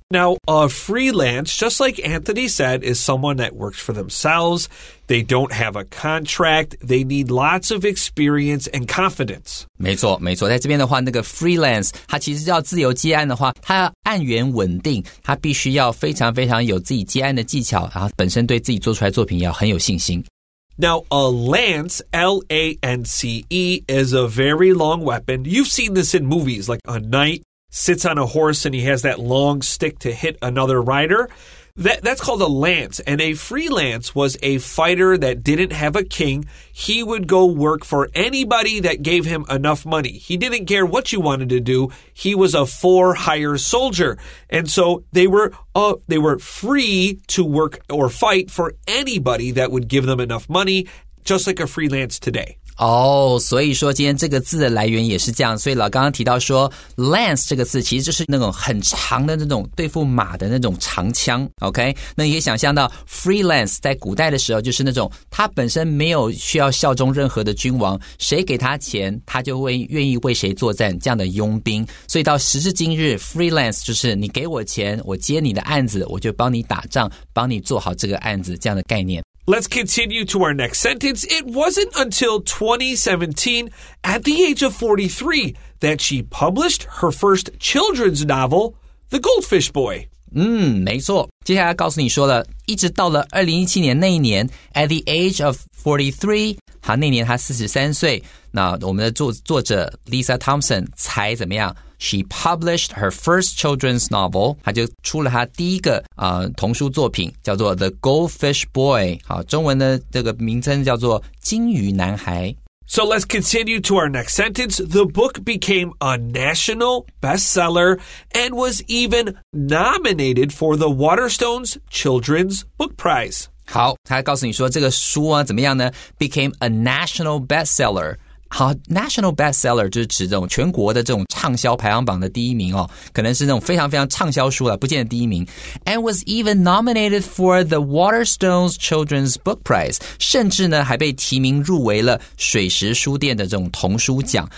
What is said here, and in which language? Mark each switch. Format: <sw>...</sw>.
<en>Now a freelance just like Antony said is someone that works for themselves They don't have a contract They need lots of experience and confidence</en> <zh>没错在这边的话那个 freelance 他其实要自由接案的话他要案源稳定他必须要非常非常有自己接案的技巧然后本身对自己做出来作品要很有信心</zh> <en>Now, a lance, L-A-N-C-E, is a very long weapon. You've seen this in movies, like a knight sits on a horse and he has that long stick to hit another rider. That's called a lance. And a freelance was a fighter that didn't have a king. He would go work for anybody that gave him enough money. He didn't care what you wanted to do. He was a for-hire soldier. And so they were free to work or fight for anybody that would give them enough money, just like a freelance today.</en> <zh>哦、oh, 所以说今天这个字的来源也是这样所以老刚刚提到说 Lance 这个字其实就是那种很长的那种对付马的那种长枪 OK 那你可以想象到 Freelance 在古代的时候就是那种他本身没有需要效忠任何的君王谁给他钱他就会愿意为谁作战这样的佣兵所以到时至今日 Freelance 就是你给我钱我接你的案子我就帮你打仗帮你做好这个案子这样的概念</zh> <en>Let's continue to our next sentence. It wasn't until 2017, at the age of 43, that she published her first children's novel, The Goldfish Boy.</en> <zh>嗯，没错。接下来告诉你说了，一直到了2017年那一年 ，</zh> <en>at the age of 43，</en> <zh>好，那年她43岁。那我们的作者 Lisa Thompson 才怎么样？</zh> <en>She published her first children's novel.</en> <zh>她就出了她第一个童书作品，叫做 The Goldfish Boy. 好，中文的这个名称叫做金鱼男孩。</zh> <en>So let's continue to our next sentence. The book became a national bestseller and was even nominated for the Waterstones Children's Book Prize.</en> <zh>好，她告诉你说这个书啊怎么样呢？</zh> <en>Became a national bestseller.</en> <zh>好 ,</zh> <en>national bestseller</en> <zh>就是指这种全国的这种畅销排行榜的第一名哦可能是那种非常非常畅销书了不见得第一名。</zh> <en>And was even nominated for the Waterstones Children's Book Prize,</en> <zh>甚至呢还被提名入围了水石书店的这种童书奖。</zh>